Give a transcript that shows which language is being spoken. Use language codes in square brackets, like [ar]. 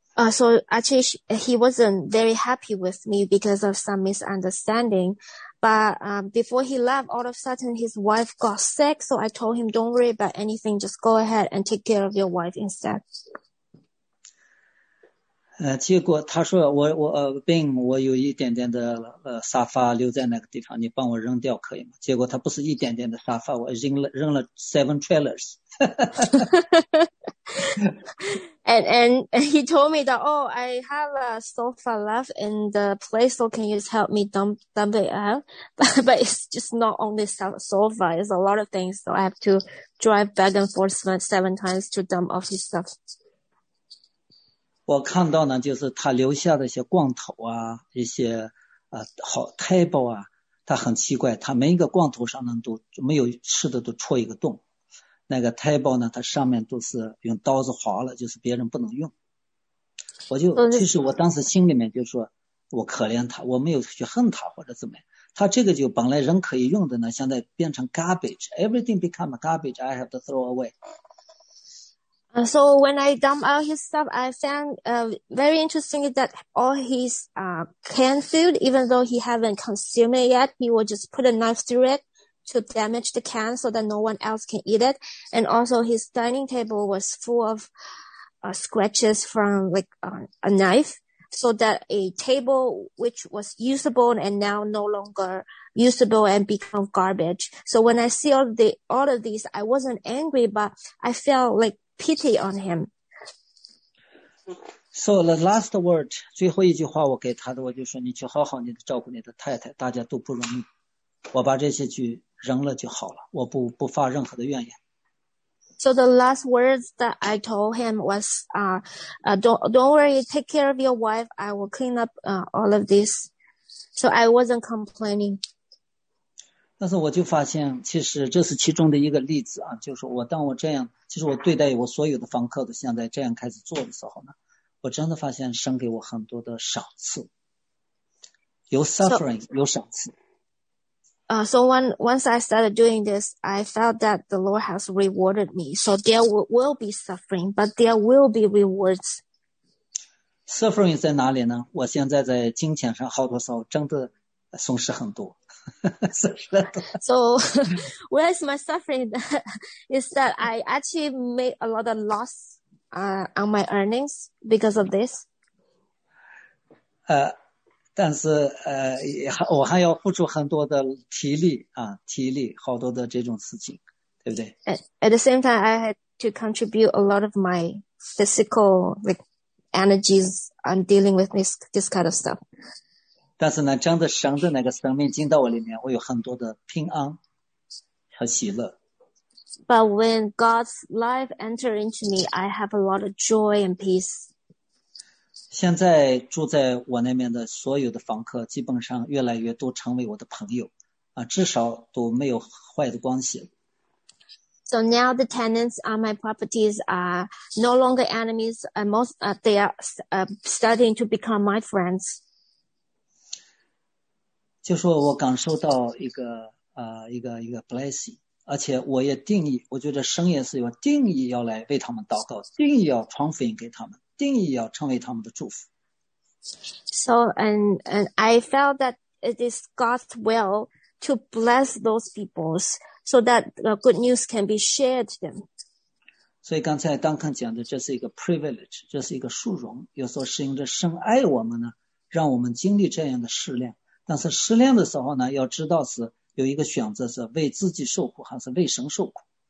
[en] So actually he wasn't very happy with me because of some misunderstanding. But before he left, all of a sudden his wife got sick. So I told him, don't worry about anything. Just go ahead and take care of your wife instead. [zh] 结果他说我病，我有一点点的沙发留在那个地方，你帮我扔掉可以吗？结果他不是一点点的沙发，我扔了 [en] seven trailers. And he told me that, oh, I have a sofa left in the place, so can you just help me dump it out? But it's just not only sofa, it's a lot of things. So I have to drive back and forth seven times to dump off his stuff. [zh] 我看到呢，就是他留下的一些罐头啊，一些好 table 啊，他很奇怪，他每一个罐头上呢都没有吃的都戳一个洞。那个 table 呢，它上面都是用刀子划了，就是别人不能用。我就其实我当时心里面就说，我可怜他，我没有去恨他或者怎么样。他这个就本来人可以用的呢，现在变成 garbage， [en] everything become garbage， I have to throw away。 So when I dump out his stuff, I found very interesting that all his canned food, even though he haven't consumed it yet, he will just put a knife through it to damage the can so that no one else can eat it. And also his dining table was full of scratches from a knife, so that a table which was usable and now no longer usable and become garbage. So when I see all of these, I wasn't angry, but I felt like pity on him. So the last word, [zh] 最后一句话我给他的，我就说你去好好你的照顾你的太太，大家都不容易。我把这些句扔了就好了，我不发任何的怨言。 [en] So the last words that I told him was, don't worry, take care of your wife. I will clean up all of this. So I wasn't complaining. [zh] 但是我就发现，其实这是其中的一个例子啊，就是当我这样，其实我对待我所有的房客都现在这样开始做的时候呢，我真的发现神给我很多的赏赐，有 suffering， 有赏赐。 [en] So once I started doing this, I felt that the Lord has rewarded me. So there will be suffering, but there will be rewards. [zh] suffering 在哪里呢？我现在在金钱上好多时候真的损失很多。 [en] So where is my suffering? Is that I actually made a lot of loss on my earnings because of this? [zh] 但是我还要付出很多的体力啊，体力好多的这种事情，对不对？ [en] At the same time, I had to contribute a lot of my physical like energies on dealing with this kind of stuff. [zh] 但是呢，真的神的那个生命进到我里面，我有很多的平安和喜乐。 [en] But when God's life enter into me, I have a lot of joy and peace. [zh] 现在住在我那边的所有的房客基本上越来越多成为我的朋友啊，至少都没有坏的关系。 [en] So now the tenants on my properties are no longer enemies, and most, they are starting to become my friends. [zh] 就说我感受到一个 blessing, 而且我也定义，我觉得神也是有定义要来为他们祷告，定义要传福音给他们。定义要成为他们的祝福。 [en] So and I felt that it is God's will to bless those peoples so that the good news can be shared to them. [zh] 所以刚才Duncan讲的，这是一个 privilege， 这是一个殊荣。有时候是因着神爱我们呢，让我们经历这样的试炼。但是试炼的时候呢，要知道是有一个选择，是为自己受苦还是为神受苦。